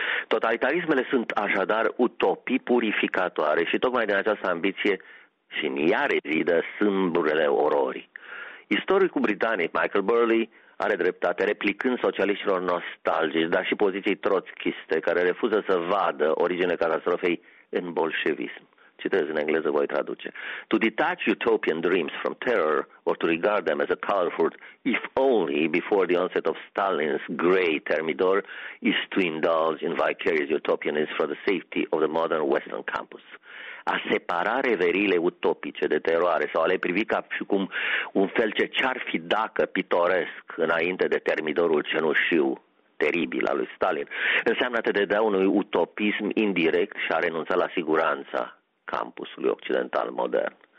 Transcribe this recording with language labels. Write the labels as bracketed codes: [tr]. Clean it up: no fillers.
[ro] Totalitarismele sunt așadar utopii purificatoare și tocmai din această ambiție și în ea rezidă sâmburele ororii. Istoricul britanic Michael Burley are dreptate, replicând socialiștilor nostalgici, dar și poziții trotskiste, care refuză să vadă originea catastrofei în bolșevism. Citez în engleză, voi traduce. [en] To detach utopian dreams from terror or to regard them as a comfort, if only before the onset of Stalin's grey Thermidor, is to indulge in vicarious utopianism for the safety of the modern Western campus. [ro] A separa reveriile utopice de teroare sau a le privi ca și cum un fel ce ce-ar fi dacă pitoresc înainte de termidorul cenușiu teribil al lui Stalin înseamnă a te dedea unui utopism indirect și a renunța la siguranța campusului occidental modern.